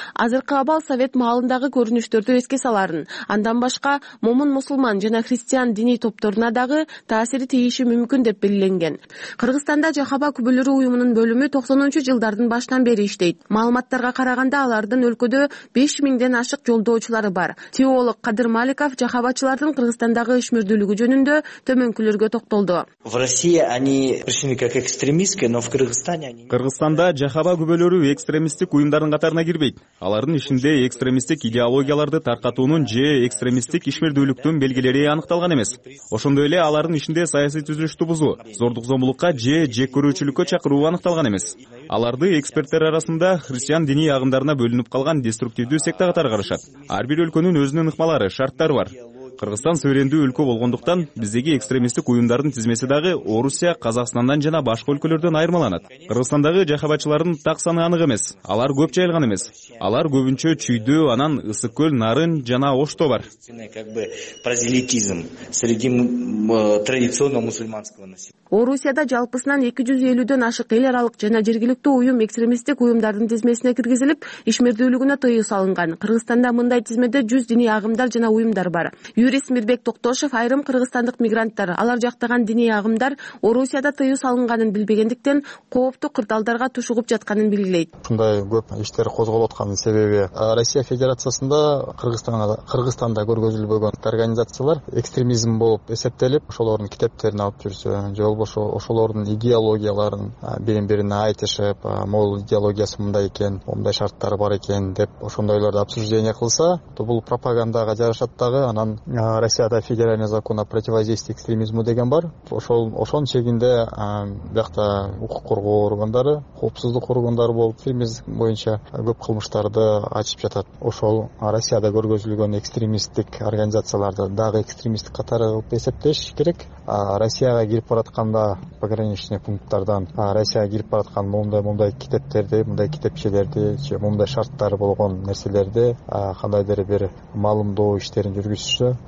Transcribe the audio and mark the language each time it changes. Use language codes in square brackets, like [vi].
[ky] Азыркы абал совет маалындагы көрүнүштөрдү эске саларын, андан башка момун мусулман жана христиан диний топторуна дагы таасири тийиши мүмкүн деп белгиленген. Кыргызстанда Жахаба күбөлөрү уюмунун бөлүмү 90-жылдардын башынан бери иштейт. Маалыматтарга караганда алардын өлкөдө 5,000 ашык жолдоочулары бар. Теолог Кадыр Маликов жахабачылардын Кыргызстандагы ишмердүүлүгү жөнүндө төмөнкүлөргө токтолду. [ru] В России они пришли как экстремистки, но в Кыргызстане они [ky] Кыргызстанда Жахаба күбөлөрү экстремисттик уюмдардын катарына кирбейт. Алардын ишинде экстремисттик экстремисттик идеологияларды таркатуунун же экстремисттик ишмердүүлүктүн белгилери аныкталган эмес. Ошондой эле алардын ичинде саясий түзүлүштү бузуу, зордук-зомбулукка же жек көрүүчүлүккө чакыруу аныкталган эмес. Аларды эксперттер арасында христиан диний агымдарына бөлүнүп калган деструктивдүү секта катары карашат. Ар бир өлкөнүн өзүнүн ыкмалары, шарттары бар. Кыргызстан суверендүү өлкө болгондуктан биздеги экстремисттик уюмдардын тизмеси дагы Орусия, Казакстандан жана башка өлкөлөрдөн айырмаланат. Кыргызстандагы жахабачылардын так саны анык эмес, алар көп жайылган эмес. Алар көбүнчө Чүйдүү, анан Ысык Көл, Нарын жана Ошто бар. [ru] Прозелитизм среди традиционного мусульманского населения. [ky] Орусияда жалпысынан 250 ашык эл аралык жана жергиликтүү уюм экстремисттик уюмдардын тизмесине киргизилип, ишмердүүлүгүнө тыюу салынган. Кыргызстанда мындай тизмеде 100 диний агымдар жана уюмдар бар. Юрист Мирбек Токтошев айрым кыргызстандык мигранттар, алар жактаган диний агымдар Орусияда тыюу салынганын билбегендиктен кооптуу кырдаалдарга тушугуп жатканын белгилейт. Ушундай көп иштер козголуп атканын себеби Россия Федерациясында Кыргызстанда көргөзүлбөгөн организациялар экстремизм болуп эсептелип, ошолордун китептерин алып жүрсө, же болбошо ошолордун идеологияларын бирин бирине айтышып, могул идеологиясы мындай экен, мындай шарттары бар экен деп ошондойлорду обсуждение кылса, бул пропагандага жарашат дагы. Анан Россияда [ru] федеральный закон о противодействии экстремизму [ky] деген бар. Ошон чегинде биякта укук коргоо органдары, коопсуздук органдары болуп экстремизм боюнча көп кылмыштарды ачып жатат. Ошол Россияда көргөзүлгөн экстремисттик организацияларды дагы экстремисттик катары кылып эсептеш керек. Россияга кирип баратканда пограничный пункттардан Россияга кирип бараткан мондай китептерди, мындай китепчелерди же мындай шарттары болгон нерселерди кандайдыр бир маалымдоо иштерин жүргүзүшсө,